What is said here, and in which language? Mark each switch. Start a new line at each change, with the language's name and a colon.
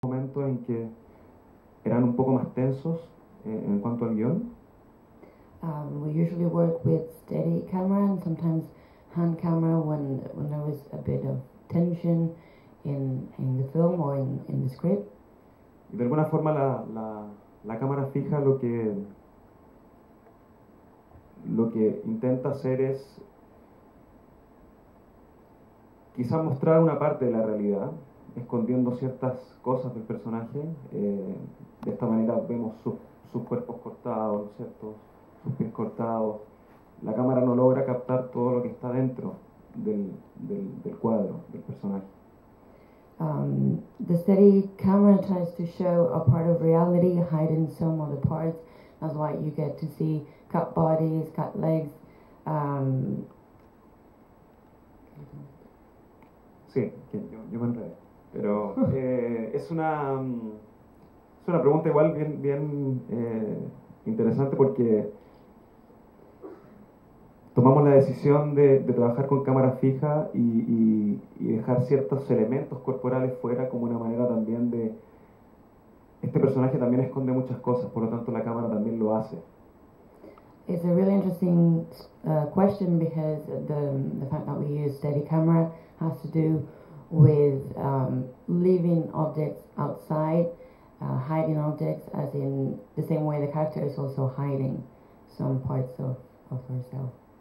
Spanish: momentos en que eran un poco más tensos en cuanto al guión.
English: We usually work with steady camera and sometimes hand camera when there was a bit of tension in the film or in the script.
Spanish: De alguna forma la cámara fija lo que intenta hacer es quizás mostrar una parte de la realidad, escondiendo ciertas cosas del personaje. De esta manera vemos sus cuerpos cortados, ¿cierto? Sus pies cortados. La cámara no logra captar todo lo que está dentro del cuadro, del personaje.
English: The steady camera tries to show a part of reality, hiding some of the parts. That's why you get to see cut bodies, cut legs.
Spanish: Sí, yo me enredé. Pero es una pregunta igual bien interesante, porque tomamos la decisión de trabajar con cámara fija y dejar ciertos elementos corporales fuera como una manera también de... Este personaje también esconde muchas cosas, por lo tanto la cámara también lo hace.
English: It's a really interesting question because the fact that we use steady camera has to do with leaving objects outside, hiding objects, as in the same way the character is also hiding some parts of herself.